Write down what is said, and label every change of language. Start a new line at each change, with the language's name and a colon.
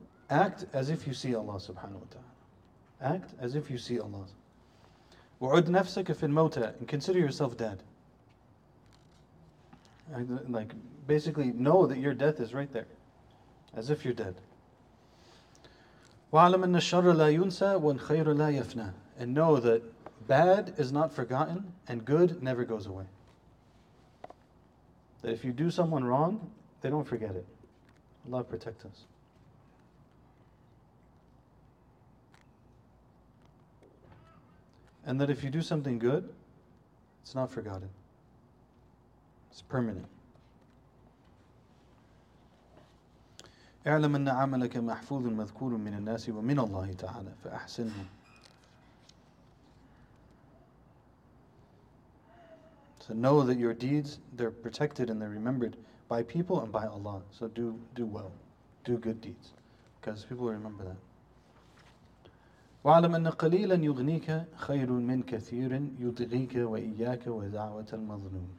English: Act as if you see Allah subhanahu wa ta'ala. Act as if you see Allah.
Arabic: وعد نفسك في الموتى.
English: And consider yourself dead. Like, basically, know that your death is right there. As if you're dead.
Arabic: وعلم أن الشر لا ينسى والخير لا يفنى.
English: And know that bad is not forgotten and good never goes away. That if you do someone wrong, they don't forget it. Allah protect us. And that if you do something good, it's not forgotten. It's permanent.
Arabic: اعلم أن عملك محفوظ مذكور من الناس ومن الله تعالى فأحسنه.
English: So know that your deeds, they're protected and they're remembered by people and by Allah. So do well. Do good deeds. Because people remember that.
Arabic: وَعَلَمْ أَنَّ قَلِيلًا يُغْنِيكَ خَيْرٌ مِّنْ كَثِيرٍ يُطْغِيكَ وَإِيَّاكَ وَدَعْوَةَ الْمَظْلُومِ.